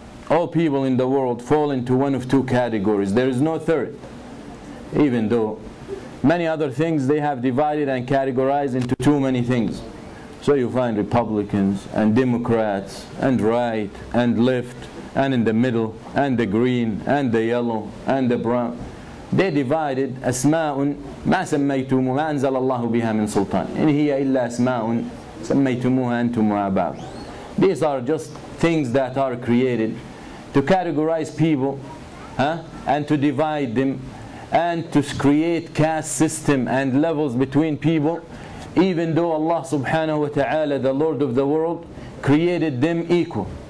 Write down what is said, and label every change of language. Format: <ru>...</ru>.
<en>All people in the world fall into one of two categories. There is no third, even though many other things they have divided and categorized into too many things. So you find Republicans and Democrats and right and left and in the middle and the green and the yellow and the brown. They divided</en> <ar>أسماءٌ ما سميتموها أنزل الله بها من سلطان إن هي إلا أسماءٌ سميتموها أنتم وآباؤكم.</ar> <en>These are just things that are created to categorize people, huh? And to divide them, and to create caste system and levels between people, even though Allah subhanahu wa ta'ala, the Lord of the world, created them equal.</en>